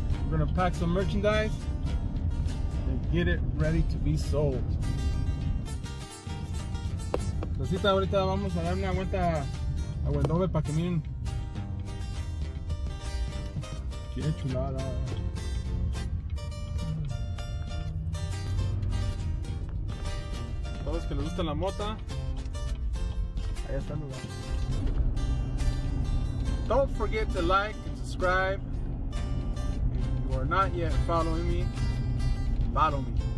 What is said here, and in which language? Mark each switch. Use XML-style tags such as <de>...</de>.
<en>We're gonna pack some merchandise and get it ready to be sold.</en> <es>Entonces ahorita vamos a dar una vuelta a Wendover para que miren. Qué chulada. Todos que les gusta la mota, ahí está el lugar.</es> <en>Don't forget to like and subscribe. If you are not yet following me, follow me.</en>